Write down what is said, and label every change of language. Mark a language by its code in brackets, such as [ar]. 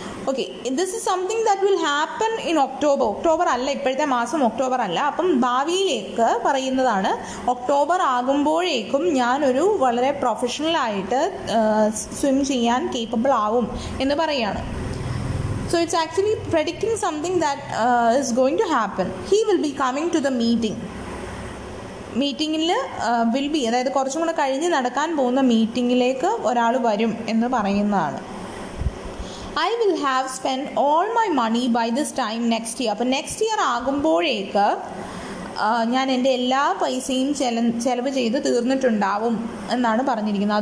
[en] Okay, this is something that will happen in October. [ml] October അല്ല, ഇപ്പോഴത്തെ മാസം October അല്ല, അപ്പം ഭാവിയിലേക്ക് പറയുന്നതാണ്. ഒക്ടോബർ ആകുമ്പോഴേക്കും ഞാനൊരു വളരെ പ്രൊഫഷണലായിട്ട് സ്വിം ചെയ്യാൻ കേപ്പബിൾ ആവും എന്ന് പറയുകയാണ്. [en] So it's actually predicting something that is going to happen. He will be coming to the meeting. Meeting will be, [ml] അതായത് കുറച്ചും കൂടെ കഴിഞ്ഞ് നടക്കാൻ പോകുന്ന മീറ്റിങ്ങിലേക്ക് ഒരാൾ വരും എന്ന് പറയുന്നതാണ്. [en] I will have spent all my money by this time next year. [ml] അപ്പം നെക്സ്റ്റ് ഇയർ ആകുമ്പോഴേക്ക് ഞാൻ എൻ്റെ എല്ലാ പൈസയും ചെലവ് ചെയ്ത് തീർന്നിട്ടുണ്ടാവും എന്നാണ് പറഞ്ഞിരിക്കുന്നത്.